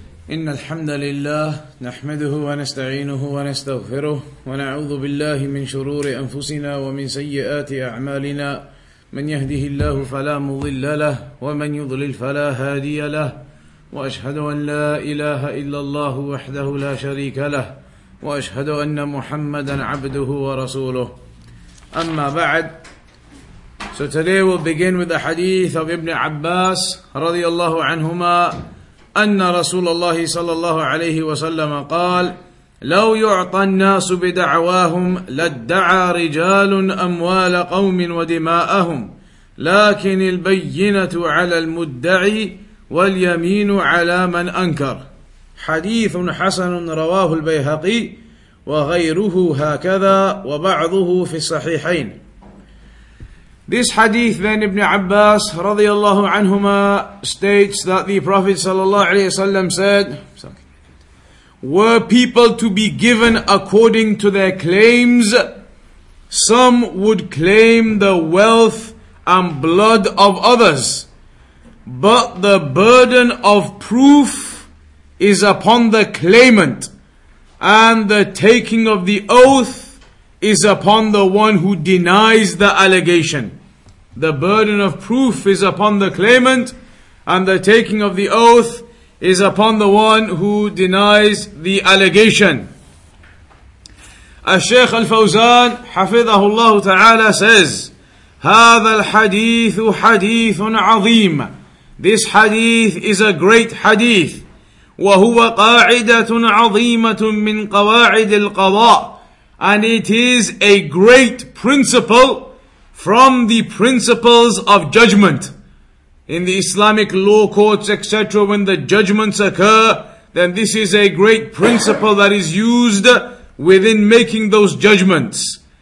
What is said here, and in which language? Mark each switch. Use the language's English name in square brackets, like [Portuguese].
[Arabic] إن الحمد لله نحمده ونستعينه ونستغفره ونعوذ بالله من شرور أنفسنا ومن سيئات أعمالنا من يهده الله فلا مضل له ومن يضلل فلا هادي له وأشهد أن لا إله إلا الله وحده لا شريك له وأشهد أن محمدا عبده ورسوله أما بعد. [English] So today we'll begin with the hadith of Ibn Abbas radiyallahu anhuma. [Arabic] أن رسول الله صلى الله عليه وسلم قال لو يعطى الناس بدعواهم لدعا رجال أموال قوم ودماءهم لكن البينة على المدعي واليمين على من أنكر. حديث حسن رواه البيهقي وغيره هكذا وبعضه في الصحيحين. [English] This hadith then Ibn Abbas radiyallahu anhuma states that the Prophet sallallahu alayhi wa sallam said, were people to be given according to their claims, some would claim the wealth and blood of others, but the burden of proof is upon the claimant, and the taking of the oath is upon the one who denies the allegation. The burden of proof is upon the claimant, and the taking of the oath is upon the one who denies the allegation. Al-Shaykh Al-Fawzan, Hafidhahullah Ta'ala, says, [Arabic] هذا الحديث حديث عظيم. [English] This hadith is a great hadith. [Arabic] وهو قاعدة عظيمة من قواعد القضاء. [English] And it is a great principle from the principles of judgment. In the Islamic law courts, etc., when the judgments occur, then this is a great principle that is used within making those judgments.